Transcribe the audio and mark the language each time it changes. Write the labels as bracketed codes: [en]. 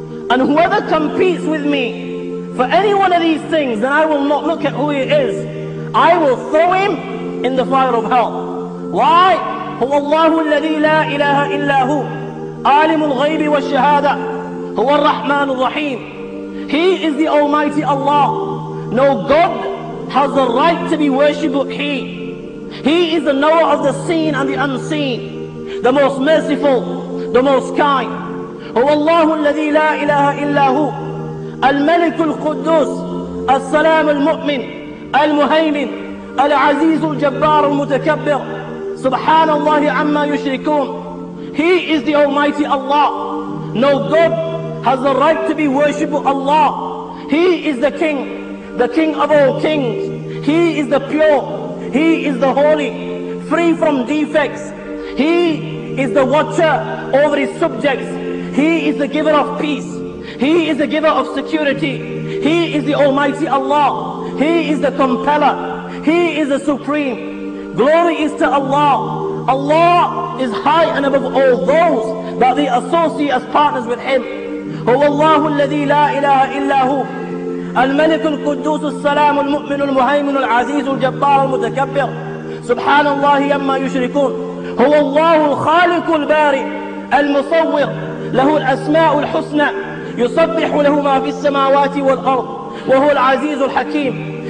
[en] And whoever competes with me for any one of these things, then I will not look at who he is. I will throw him in the fire of hell. Why? [ar] هو الله الذي لا إله إلا هو عالم الغيب والشهادة هو الرحمن الرحيم. [en] He is the Almighty Allah. No God has the right to be worshipped but He is the knower of the seen and the unseen, the most merciful, the most kind. [ar] هو الله الذي لا إله إلا هو الملك القدوس السلام المؤمن المهيمن العزيز الجبار المتكبر سبحان الله عما يشركون. [en] He is the Almighty Allah. No God has the right to be worshipped but Allah. He is the King of all kings. He is the pure. He is the holy, free from defects. He is the watcher over his subjects. He is the giver of peace. He is the giver of security. He is the Almighty Allah. He is the compeller. He is the supreme. Glory is to Allah. Allah is high and above all those that they associate as partners with Him. [ar] هو الله الذي لا إله إلا هو الملك القدوس السلام المؤمن المهيمن العزيز الجبار المتكبر سبحان الله يما يشركون. هو الله الخالق البارئ المصور له الأسماء الحسنى يسبح له ما في السماوات والأرض وهو العزيز الحكيم.